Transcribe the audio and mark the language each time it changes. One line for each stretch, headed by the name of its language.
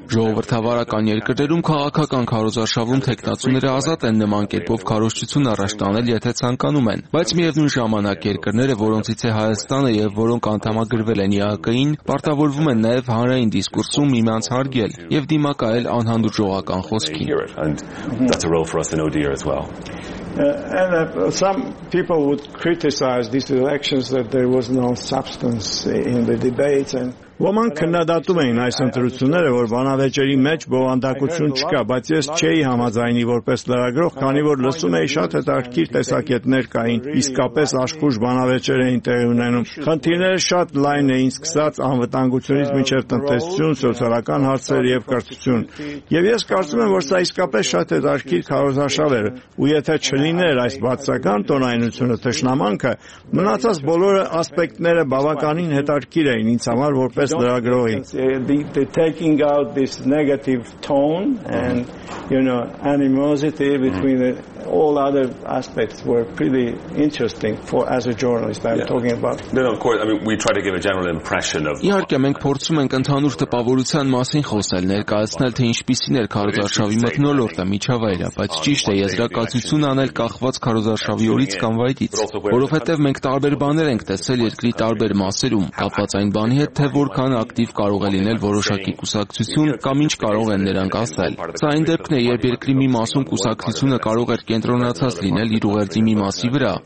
Armenian: Ժողովրդավարական երկրներում քաղաքական քարոզարշավում տեխնացուները ազատ են նման կերպով քարոշչություն առաջ տանել, եթե ցանկանում են, բայց միևնույն ժամանակ երկրները, որոնցից է Հայաստանը եւ որոնք անդամագրվել են ԵԱԿ-ին, պարտավորվում են նաեւ հանրային դիսկուրսում միմյանց հարգել եւ դիմակայել անհանդուրժողական խոսքին։
English: And some people would criticize these elections that there was no substance in the debates and
Armenian: Ոմանք քննադատում էին այս ընտրությունները, որ բանավեճերի մեջ բովանդակություն չկա, բայց ես չէի համաձայնի որպես լրագրող, քանի որ լսում էի շատ հետաքրքիր տեսակետներ կային, իսկապես աշխույժ բանավեճեր էին տեղի ունենում։ Խնդիրները շատ լայն էին, սկսած անվտանգությունից մինչև տնտեսություն, սոցիալական հարցեր եւ կրթություն։ Եվ ես կարծում եմ, որ սա իսկապես շատ հետաքրքիր քարոզարշավ էր, ու եթե չլիներ այս բացական տոնայնությունը, թշնամանքը, մնացած բոլոր ասպեկտները բավականին հետաքրքիր էին ինձ համար։ Պես լրագրողի
English: the taking out this negative tone and animosity between the all other aspects were pretty interesting for as a journalist I'm talking about. No, of course, I mean we try to give a general impression of.
Armenian: Իհարկե մենք փորձում ենք ընդհանուր տպավորության մասին խոսել, ներկայացնել թե ինչպիսին էր քարոզարշավի մթնոլորտը, միջավայրը, բայց ճիշտ է եզրակացություն անել կախված քարոզարշավի օրից կամ վայրից, որովհետև մենք տարբեր բաներ ենք տեսել երկրի տարբեր մասերում, կապված այն բանի հետ, թե որքան ակտիվ կարող է լինել որոշակի կուսակցություն կամ ինչ կարող են նրանք ասել։ Սա այն դեպքն է, երբ երկրի մի մասում կուսակցությունը կարող էր կենտրոնացած լինել իր ուղերձի մի մասի վրա,